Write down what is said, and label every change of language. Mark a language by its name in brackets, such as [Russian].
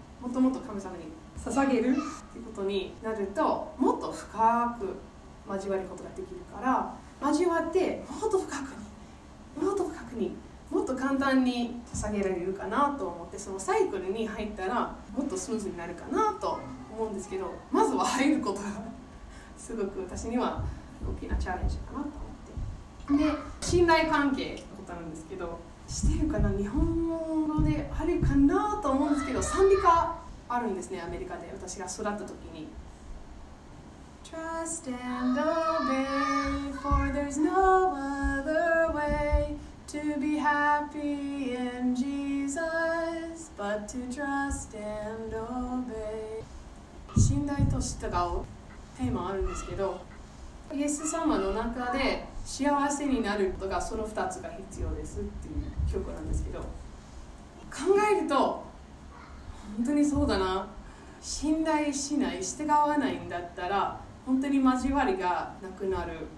[Japanese] っともっと神様に捧げるっていうことになると、もっと深く交わることができるから、交わってもっと深くに、もっと深くに、もっと簡単に捧げられるかなと思って、そのサイクルに入ったらもっとスムーズになるかなと思うんですけど、まずは入ることがすごく私には大きなチャレンジかなと思って、で信頼関係のことなんですけど、してるかな、日本語であるかなと思うんですけど、賛美歌あるんですね、アメリカで私が育った時に。 [English] Trust and obey, for there's no other way to be happy in Jesus but to trust and obey。 [Japanese] 信頼と従うテーマあるんですけど、イエス様の中で幸せになることが、その2つが必要ですっていう曲なんですけど、考えると本当にそうだな、信頼しない、従わないんだったら本当に交わりがなくなる。